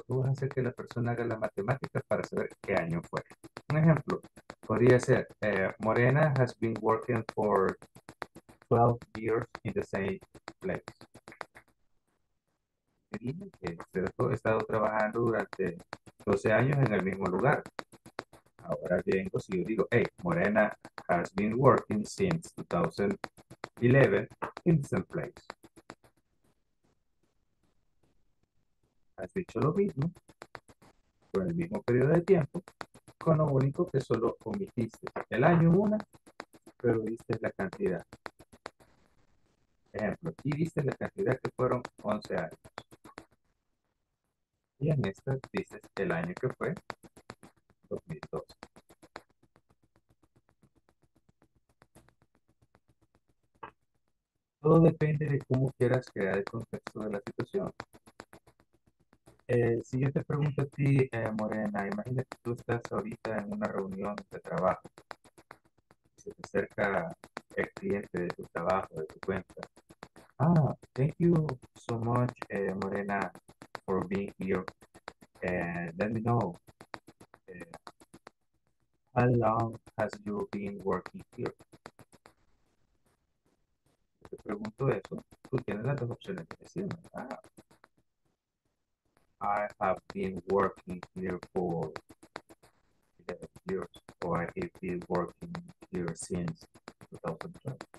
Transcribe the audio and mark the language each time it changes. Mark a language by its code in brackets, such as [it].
[es] Tú vas a hacer que la persona haga la matemática para saber qué año fue. Un ejemplo, podría ser, [en] Morena has been working for 12 years in the same place. [es] Dime que he estado trabajando durante 12 años en el mismo lugar. Ahora vengo, si yo digo, [en] hey, Morena has been working since 2011 in the same place. [es] Has dicho lo mismo, por el mismo periodo de tiempo, con lo único que solo omitiste el año una, pero diste la cantidad. Ejemplo, aquí diste la cantidad que fueron 11 años. Y en esta dices el año que fue 2012. Todo depende de cómo quieras crear el contexto de la situación. Si yo te pregunto a ti, Morena, imagínate que tú estás ahorita en una reunión de trabajo. Se te acerca el cliente de tu trabajo, de tu cuenta. [en] Ah, thank you so much, Morena, for being here. Let me know, how long has you been working here? [es] Yo te pregunto eso, tú tienes las dos opciones de decirme, ¿verdad? [en] I have been working here for 11 years, or I have been working here since 2012.